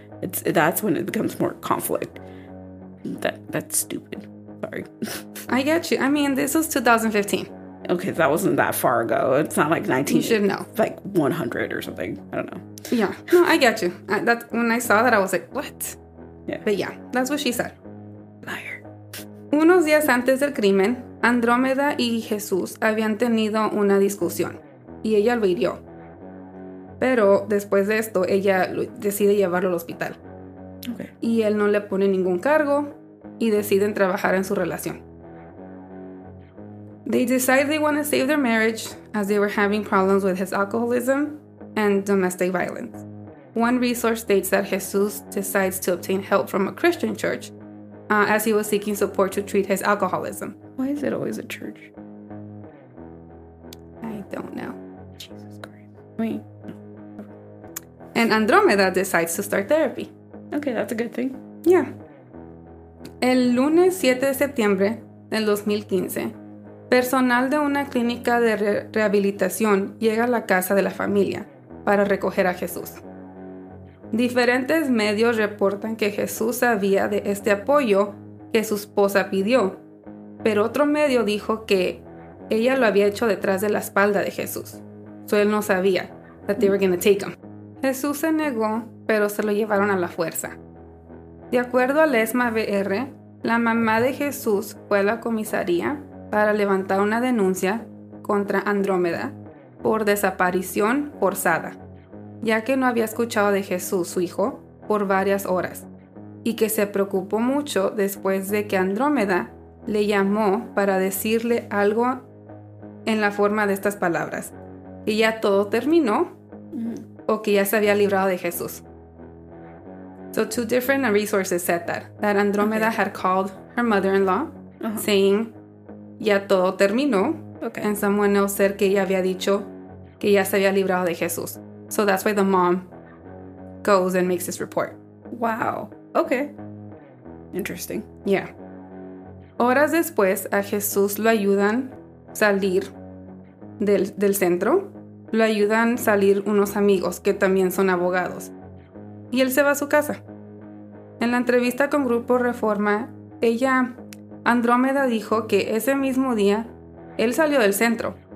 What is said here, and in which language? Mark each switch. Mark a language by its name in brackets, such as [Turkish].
[English] That's when it becomes more conflict. That's stupid. Sorry. I get you. I mean, this was 2015. Okay, that wasn't that far ago. It's not like 19. You should know. Like 100 or something. I don't know. Yeah. No, I get you. That's when I saw that, I was like, what? Yeah. But yeah, that's what she said. Liar. [Spanish] Unos días antes del crimen, Andrómeda y Jesús habían tenido una discusión. Y ella lo hirió. Pero después de esto, ella decide llevarlo al hospital. [English] Okay. [Spanish] Y él no le pone ningún cargo y deciden trabajar en su relación. [English] They decide they want to save their marriage as they were having problems with his alcoholism and domestic violence. One resource states that Jesus decides to obtain help from a Christian church as he was seeking support to treat his alcoholism. Why is it always a church? I don't know. Jesus Christ. Wait. And Andrómeda decides to start therapy. Okay, that's a good thing. Yeah. [Spanish] El lunes 7 de septiembre del 2015, personal de una clínica de rehabilitación llega a la casa de la familia para recoger a Jesús. Diferentes medios reportan que Jesús sabía de este apoyo que su esposa pidió, pero otro medio dijo que ella lo había hecho detrás de la espalda de Jesús. So él no sabía [English] that they were going to take him. [Spanish] Jesús se negó, pero se lo llevaron a la fuerza. De acuerdo a la ESMA VR, la mamá de Jesús fue a la comisaría para levantar una denuncia contra Andrómeda por desaparición forzada, ya que no había escuchado de Jesús, su hijo, por varias horas, y que se preocupó mucho después de que Andrómeda le llamó para decirle algo en la forma de estas palabras, que ya todo terminó, o que ya se había librado de Jesús. [English] So two different resources said that Andrómeda had called her mother-in-law, saying, [Spanish] ya todo terminó, [English] and someone else said [Spanish] que ella había dicho que ya se había librado de Jesús. [English] So that's why the mom goes and makes this report. Wow. Okay. Interesting. Yeah. [Spanish] Horas después, a Jesús lo ayudan salir del centro. Lo ayudan salir unos amigos que también son abogados. Y él se va a su casa. En la entrevista con Grupo Reforma, Andrómeda dijo que ese mismo día, él salió del centro.